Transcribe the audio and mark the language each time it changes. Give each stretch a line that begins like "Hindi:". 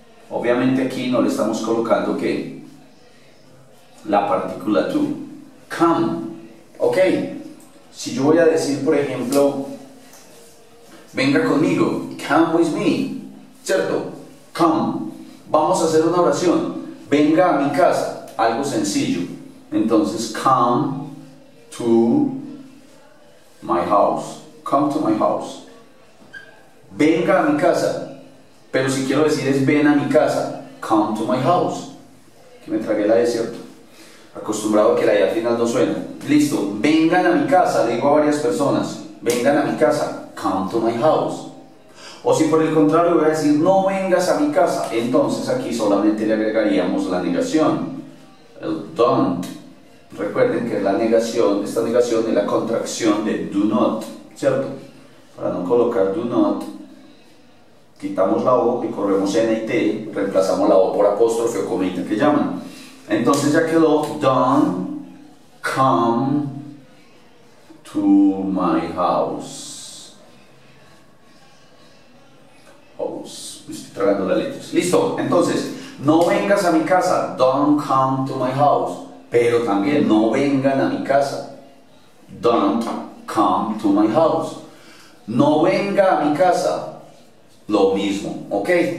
Spanish: Obviamente aquí no le estamos colocando que la partícula
English: to come.
Spanish: Ok, si yo voy a decir, por ejemplo, venga conmigo,
English: come with me,
Spanish: cierto, come. Vamos a hacer una oración, venga a mi casa, algo sencillo.
English: Entonces, come to my house, come to my house.
Spanish: Venga a mi casa. Pero si quiero decir es ven a mi casa,
English: come to my house.
Spanish: Que me tragué la de cierto. Acostumbrado a que la de al final no suena. Listo, vengan a mi casa, le digo a varias personas, vengan a mi casa,
English: come to my house.
Spanish: O si por el contrario voy a decir no vengas a mi casa, entonces aquí solamente le agregaríamos la negación, el don't. Recuerden que la negación, esta negación es la contracción de do not, cierto. Para no colocar do not, quitamos la O y corremos N y T, reemplazamos la O por apóstrofe o comita que llaman. Entonces ya quedó,
English: don't come to my house.
Spanish: House, me estoy tragando las letras. Listo, entonces, no vengas a mi casa,
English: don't come to my house.
Spanish: Pero también, no vengan a mi casa,
English: don't come to my house.
Spanish: No venga a mi casa, lo mismo, ¿ok?